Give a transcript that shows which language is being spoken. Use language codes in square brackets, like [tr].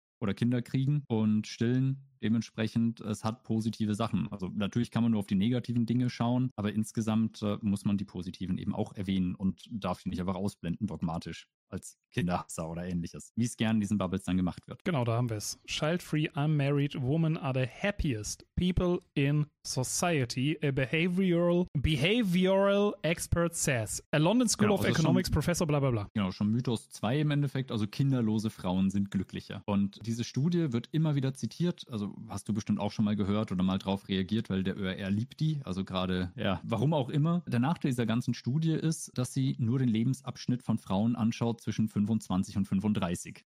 [de] Oder Kinder kriegen und stillen dementsprechend, es hat positive Sachen. Also natürlich kann man nur auf die negativen Dinge schauen, aber insgesamt muss man die positiven eben auch erwähnen und darf die nicht einfach ausblenden, dogmatisch, als Kinderhasser oder Ähnliches, wie es gern in diesen Bubbles dann gemacht wird. Genau, da haben wir es. [en] Child-free, unmarried women are the happiest people in society, a behavioral expert says. A London School of Economics Professor, bla bla bla. [de] Genau, schon Mythos 2 im Endeffekt, also kinderlose Frauen sind glücklicher. Und diese Studie wird immer wieder zitiert, also hast du bestimmt auch schon mal gehört oder mal drauf reagiert, weil der ÖRR liebt die, also gerade, ja, warum auch immer. Der Nachteil dieser ganzen Studie ist, dass sie nur den Lebensabschnitt von Frauen anschaut zwischen 25 und 35.